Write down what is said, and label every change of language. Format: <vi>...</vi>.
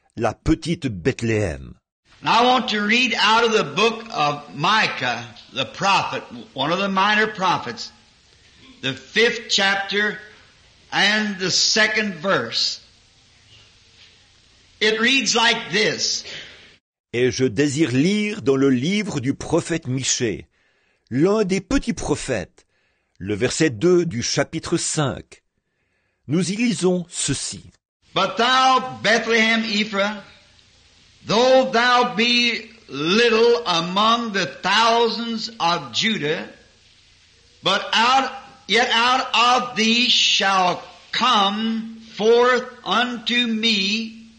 <fr>la petite Bethléem.</fr> <en>I want to read out of the book of Micah, the prophet, one of the minor prophets, the 5th chapter and the 2nd verse. It reads like this.</en> <fr>Et je désire lire dans le livre du prophète Michée, l'un des petits prophètes, le verset 2 du chapitre 5. Nous y lisons ceci.</fr> <en>But thou, Bethlehem Ephrah, though thou be little among the thousands of Judah, but yet out of thee shall come forth unto me</en>